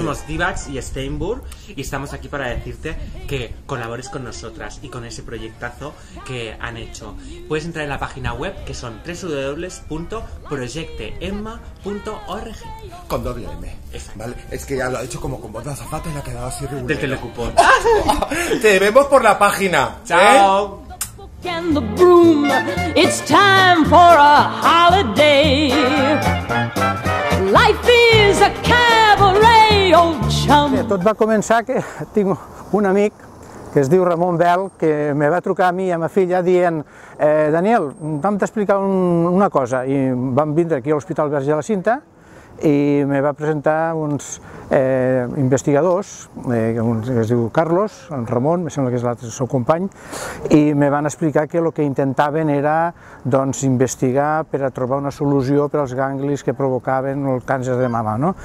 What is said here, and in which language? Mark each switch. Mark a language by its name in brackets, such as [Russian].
[Spanish] Somos Divax y Steinburg y estamos aquí para decirte que colabores con nosotras y con ese proyectazo que han hecho. Puedes entrar en la página web, que son www.proyecteemma.org. Con doble M. ¿Vale? Es que ya lo ha dicho como con voz de azafata y la ha quedado así regular. Del telecupón. Te vemos por la página. Chao. [English] And the broom, it's time for a holiday. Life is a cabaret, old chum. [Catalan] Tot va començar que tinc un amic que es diu Ramon Bel, que me va trucar a mi i a ma filla dient Daniel, vam t'explicar una cosa, i vam vindre aquí a l'Hospital Verge de la Cinta i me va presentar uns investigadors, que es diu Carlos, en Ramon, me sembla que és l'altre seu company, i me van explicar que el que intentaven era doncs, investigar per a trobar una solució per als ganglis que provocaven el càncer de mama, no?